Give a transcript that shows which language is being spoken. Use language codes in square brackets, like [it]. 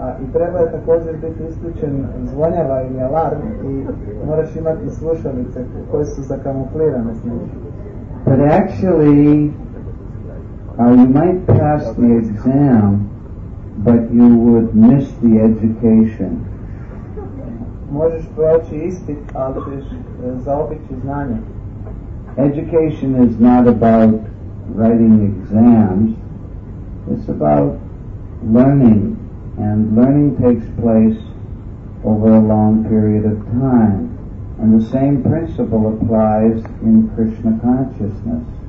[hr] I treba je također biti isključen zvonjava ili alarm, i moraš imati slušalice koje su zakamuflirane s njim. [en] But actually, you might pass the exam, but you would miss the education. [hr] Možeš proći ispit, ali ćeš zaobići znanje. [en] Education is not about writing exams, it's about learning, and learning takes place over a long period of time, and the same principle applies in Krishna consciousness.